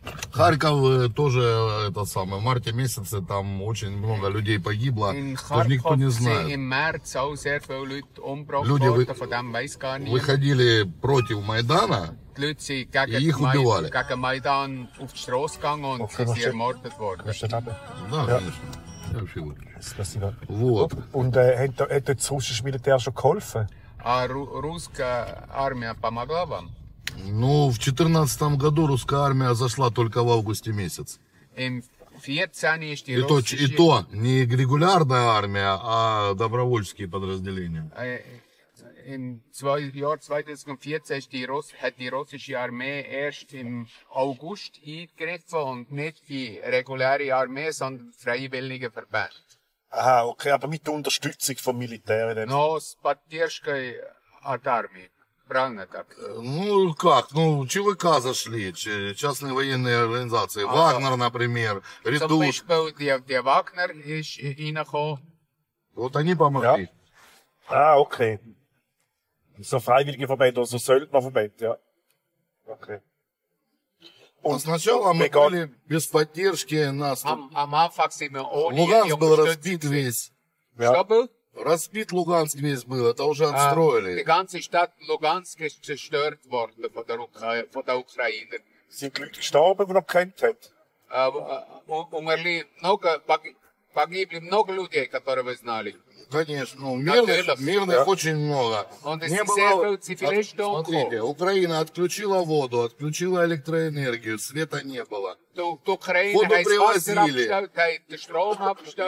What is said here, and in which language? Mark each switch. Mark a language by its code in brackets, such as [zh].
[ru] Харьков тоже, этот самый, в марте месяце там очень много людей погибло, тоже никто не знает. Люди выходили против Майдана и их убивали. [de] Майдан auf die Straße gegangen und sie sind ermordet worden. [ru] Да, конечно. Спасибо. Вот. [de] Und hat das russische Militär schon geholfen? [ru] А русская армия помогла вам? Ну, в 2014 году русская армия зашла только в августе месяц. И то не регулярная армия, а добровольческие подразделения. [de] Im Jahr 2014 hat die russische Armee erst im August eingegriffen und nicht die reguläre Armee, sondern freiwillige Verbände. Ah, okay, aber mit der Unterstützung vom Militär. [ru] No, с поддержкой от армии. Правильно так? Ну как? Ну, ЧВК зашли, частные военные организации. Also, Вагнер, например, Редут. Где Вагнер и нахол? Вот они помогли. Ja. А, окей. Okay. [de] So freiwillige Verbände, so Söldnerverbände, ja. [ru] Окей. Okay. А сначала мы были без поддержки нас. Луганск был разбит весь. Что был? Разбит Луганск весь был, это уже отстроили. [de] Die ganze Stadt Luhansk ist zerstört worden von der Ukraine. Sind die Leute gestorben, die noch gekämpft haben? [ru] Умерли много, погибли много людей, которые вы знали. Конечно, мирных очень много. Не было... Смотрите, Украина отключила воду, отключила электроэнергию, света не было. Воду привозили.